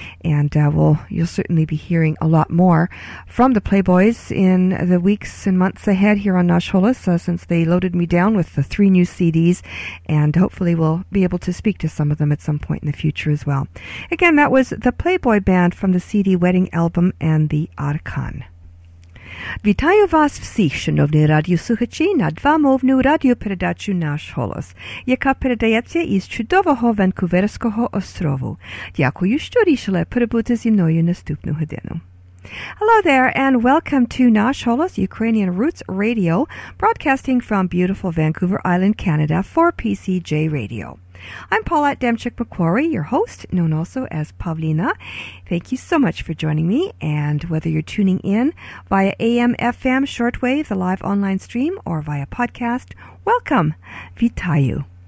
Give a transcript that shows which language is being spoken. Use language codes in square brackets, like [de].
[en] And you'll certainly be hearing a lot more from the Playboys in the weeks and months ahead here on Nosh Holos, since they loaded me down with the three new CDs, and hopefully we'll be able to speak to some of them at some point in the future as well. Again, that was the Playboy Band from the CD Wedding Album and the Otacon. [uk] Вітаю вас всіх, шановні радіослухачі, на двомовну радіопередачу «Наш голос», яка передається із чудового Ванкуверського острову. Дякую, що рішили перебути зі мною наступну годину. [en] Hello there, and welcome to Nosh Holos Ukrainian Roots Radio, broadcasting from beautiful Vancouver Island, Canada, for PCJ Radio. I'm Paulette Demchik-McQuarrie, your host, known also as Pavlina. Thank you so much for joining me, and whether you're tuning in via AM, FM, shortwave, the live online stream, or via podcast, welcome, vitayu.